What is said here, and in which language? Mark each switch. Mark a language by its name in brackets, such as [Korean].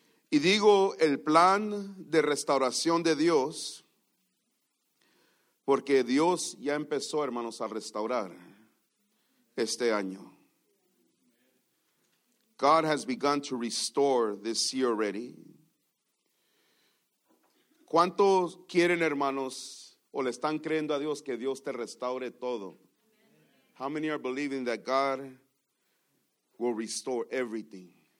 [Spanish] Y digo el plan de restauración de Dios, porque Dios ya empezó, hermanos, a restaurar este año. [English] God has begun to restore this year already. [Spanish] ¿Cuántos quieren, hermanos, o le están creyendo a Dios que Dios te restaure todo? [English] How many are believing that God will restore everything?